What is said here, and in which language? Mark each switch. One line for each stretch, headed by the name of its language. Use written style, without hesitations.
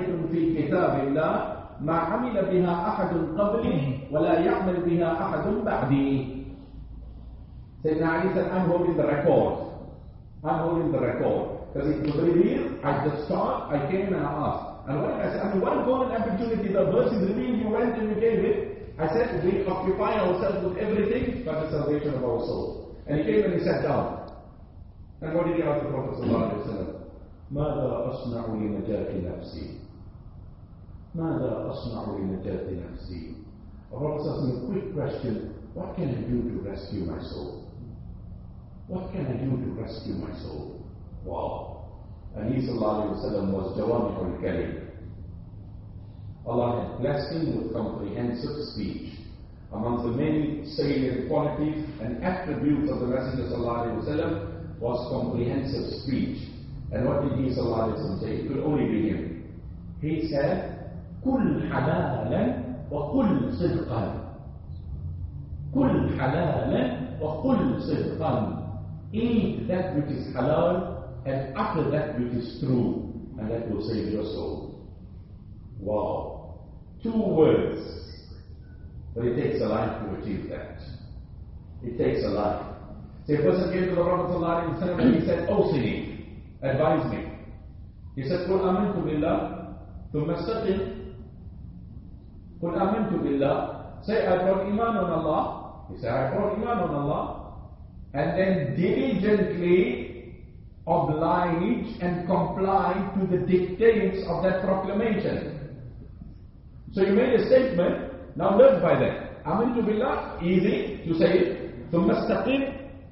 Arabic: في كتاب الله ما عمل بها أحد قبلي ولا يعمل بها أحد بعدي.
English: Sayyidina Ali said, I'm holding the record. Because it was revealed, I just saw, I came and I asked. And when I said, I mean, what a golden opportunity, the verse is revealed, you went and you gave it. I said, we occupy ourselves with everything but the salvation of our soul. And he came and he sat down. And what did he ask the Prophet sallallahu alayhi wa sallam?
Arabic: ماذا أصنع لنجاة نفسي؟ ماذا أصنع لنجاة نفسي؟
English: The Prophet asked me a quick question. What can I do to rescue my soul? What can I do to rescue my soul? Wow. And he sallallahu alayhi wa sallam was Jawamihul Kalim. Allah had blessed him with comprehensive speech. Among the many salient qualities and attributes of the Messenger sallallahu alayhi wa sallam was comprehensive speech. And what did he sallallahu alayhi wa sallam say? It could only be him. He said,
Arabic: كُلْ حَلَالًا وَقُلْ صِدْقًا كُلْ حَلَالًا وَقُلْ صِدْقًا.
English: Eat that which is halal and utter that which is true, and that will save your soul. Wow. Two words. But it takes a life to achieve that. It takes a life. See, a person came to the Prophet sallallahu alayhi wa sallam and he said, oh, Sini, advise me. He said,
Arabic: قُلْ أَمِنْتُ بِاللَّهِ ثُمَّ اسْتَقِمْ. قُلْ أَمِنْتُ بِاللَّهِ.
English: Say, I brought iman on Allah. He said, I brought iman on Allah. And then diligently oblige and comply to the dictates of that proclamation. So you made a statement. Now live by that.
Arabic: Amintu billah,
English: easy to say it.
Arabic: Thumma istaqim.